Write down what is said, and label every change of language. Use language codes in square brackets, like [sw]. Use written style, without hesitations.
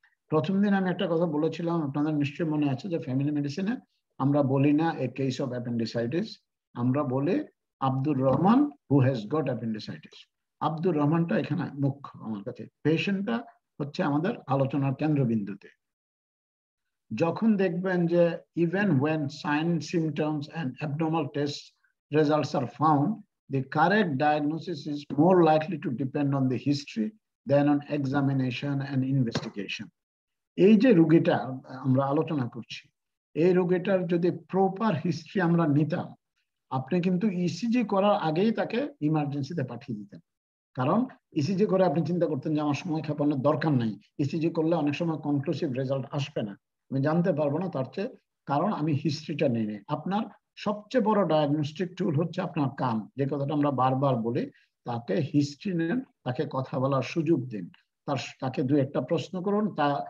[bn] প্রথম দিন আমি একটা কথা বলেছিলাম, আপনাদের নিশ্চয়ই মনে আছে, যে ফ্যামিলি মেডিসিনে আমরা বলি না [en] a case of appendicitis, [bn] আমরা বলি Abdur Rahman [en] Who has got appendicitis. [bn] Abdur রহমানটা এখানে মুখ্য আমার কাছে, পেশেন্টটা হচ্ছে আমাদের আলোচনার কেন্দ্রবিন্দুতে। যখন দেখবেন যে [en] Even when sign symptoms and abnormal test results are found, the correct diagnosis is more likely to depend on the history than on examination and investigation. [bn] এই যে রোগীটা আমরা আলোচনা করছি এই রোগীটার যদি প্রপার হিস্ট্রি আমরা নিতাম আপনি কিন্তু ইসিজি করার আগেই তাকে ইমার্জেন্সিতে পাঠিয়ে দিতেন কারণ ইসিজি করে আপনি চিন্তা করতেন যে আমার সময় খাপানোর দরকার নাই ইসিজি করলে অনেক সময় কনক্লুসিভ রেজাল্ট আসবে না আমি জানতে পারবো না তার চেয়ে কারণ আমি হিস্ট্রিটা নিয়ে নেই আপনার সবচেয়ে বড় ডায়াগনস্টিক টুল হচ্ছে আপনার কান যে কথাটা আমরা বারবার বলি তাকে হিস্ট্রি নেন তাকে কথা বলার সুযোগ দিন তার তাকে দু একটা প্রশ্ন করুন তা